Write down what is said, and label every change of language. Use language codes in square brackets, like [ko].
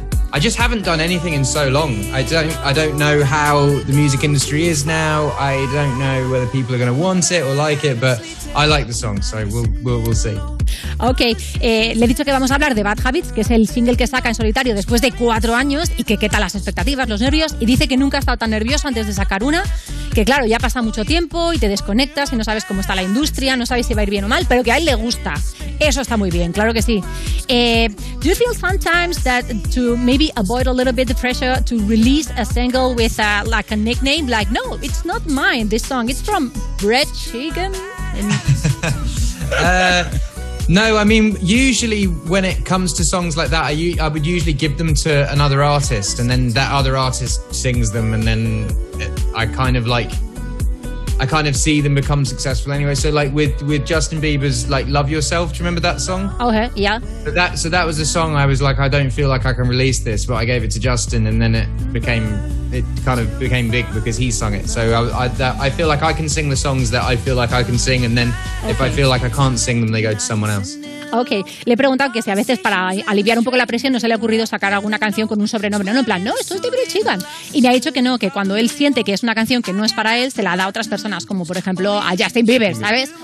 [en] I just haven't done anything in so long. I don't know how the music industry is now. I don't know whether people are going to want it or like it, but I like the song, so we'll see. [es] Okay, le he dicho que vamos a hablar de Bad Habits, que es el single que saca en solitario después de 4 años, y que qué tal las expectativas, los nervios, y dice que nunca ha estado tan nervioso antes de sacar una, que claro, ya pasa mucho tiempo y te desconectas y no sabes cómo está la industria, no sabes si va a ir bien o mal, pero que a él le gusta. Eso está muy bien, claro que sí. [en] Do you feel sometimes that to maybe avoid a little bit the pressure to release a single with like a nickname, like, no, it's not mine, this song, it's from Brett Chicken? No, I mean, usually when it comes to songs like that, I would usually give them to another artist, and then that other artist sings them, and then I kind of see them become successful anyway. So like with Justin Bieber's like Love Yourself, do you remember that song? Oh, okay, yeah. So that was a song I was like, I don't feel like I can release this, but I gave it to Justin, and then it kind of became big because he sung it. So I feel like I can sing the songs that I feel like I can sing, and then if I feel like I can't sing them, they go to someone else. [es] Okay, le he preguntado que si a veces para aliviar un poco la presión no se le ha ocurrido sacar alguna canción con un sobrenombre. No, en plan, no, esto es de Brett Sheeran. Y me ha dicho que no, que cuando él siente que es una canción que no es para él, se la da a otras personas, como por ejemplo a Justin Bieber, ¿sabes?